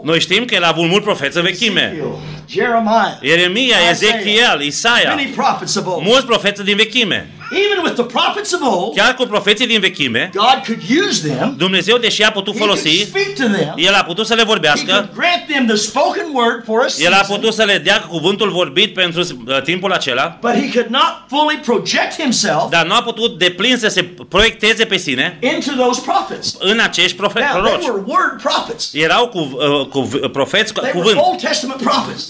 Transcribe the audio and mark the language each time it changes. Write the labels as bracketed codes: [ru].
[ro] Noi știm că el a avut mulți profeți în vechime. [en] Jeremiah, [ro] Ieremia, Ezechiel, Isaia, [en] many prophets of old. [ro] Mulți profeți din vechime. [en] Even with the prophets of old, [ro] chiar cu profeții din vechime, [en] God could use them, [ro] Dumnezeu, deși a putut folosi, [en] he could speak to them, [ro] el a putut să le vorbească, [en] he could grant them the spoken word for a season, [ro] el a putut să le dea cuvântul vorbit pentru timpul acela, [en] but he could not fully project himself, [ro] dar nu a putut deplin să se proiecteze pe sine [en] into those prophets, [ro] în acești profeți. [en] Now, they were word prophets. [ro] Erau profeți cu cuvânt. [en] They were Old Testament prophets.